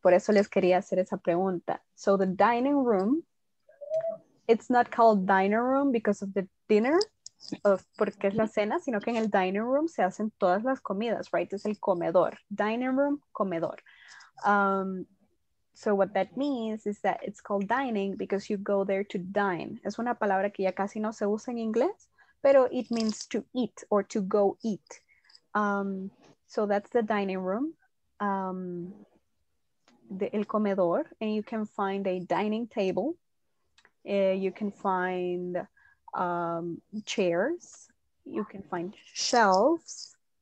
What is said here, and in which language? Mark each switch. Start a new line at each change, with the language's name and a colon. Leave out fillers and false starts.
Spanish: Por eso les quería hacer esa pregunta.
English: So the dining room, it's not called dining room because of the dinner,
Spanish: porque es la cena, sino que en el dining room se hacen todas las comidas, right? Es el comedor.
English: Dining room, comedor. So what that means is that it's called dining because you go there to dine.
Spanish: Es una palabra que ya casi no se usa en inglés, pero
English: it means to eat or to go eat. So that's the dining room,
Spanish: el comedor,
English: and you can find a dining table. You can find chairs, you can find shelves.